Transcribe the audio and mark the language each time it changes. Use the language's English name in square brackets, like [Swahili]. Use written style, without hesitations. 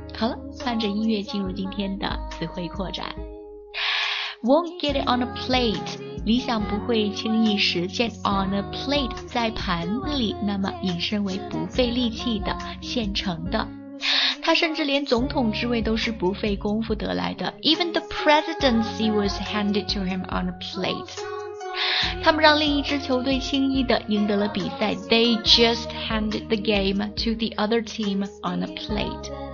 [Chinese] 好了，伴着音乐进入今天的词汇扩展。 [English] Won't get it on a plate， [Chinese] 理想不会轻易实现。 On a plate， 在盘子里，那么引申为不费力气的，现成的。他甚至连总统之位都是不费功夫得来的。 [English] Even the presidency was handed to him on a plate。 [Chinese] 他们让另一支球队轻易地赢得了比赛。 [English] They just handed the game to the other team on a plate。